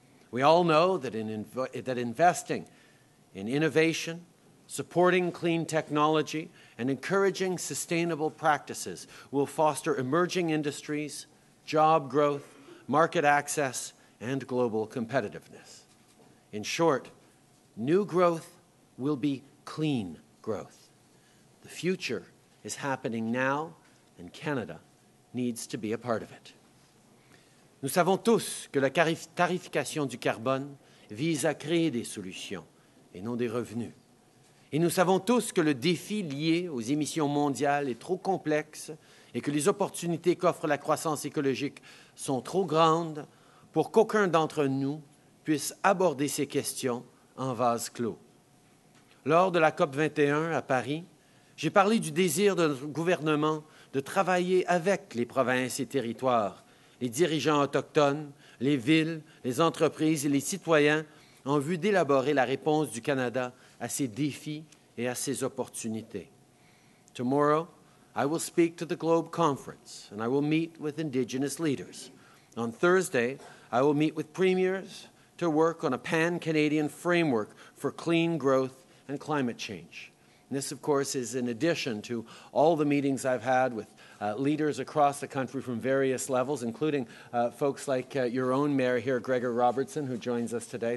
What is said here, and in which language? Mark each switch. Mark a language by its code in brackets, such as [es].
[en] We all know that investing in innovation, supporting clean technology, and encouraging sustainable practices will foster emerging industries, job growth, market access, and global competitiveness. In short, new growth will be clean growth. The future is happening now, and Canada needs to be a part of it. [fr] Nous savons tous que la tarification du carbone vise à créer des solutions et non des revenus. Et nous savons tous que le défi lié aux émissions mondiales est trop complexe et que les opportunités qu'offre la croissance écologique sont trop grandes pour qu'aucun d'entre nous puisse aborder ces questions en vase clos. Lors de la COP21 à Paris, j'ai parlé du désir de notre gouvernement de travailler avec les provinces et territoires, les dirigeants autochtones, les villes, les entreprises et les citoyens en vue d'élaborer la réponse du Canada à ses défis et à ses opportunités. [en] Tomorrow, I will speak to the Globe Conference and I will meet with Indigenous leaders. On Thursday, I will meet with premiers to work on a pan-Canadian framework for clean growth and climate change. And this, of course, is in addition to all the meetings I've had with leaders across the country from various levels, including folks like your own mayor here, Gregor Robertson, who joins us today.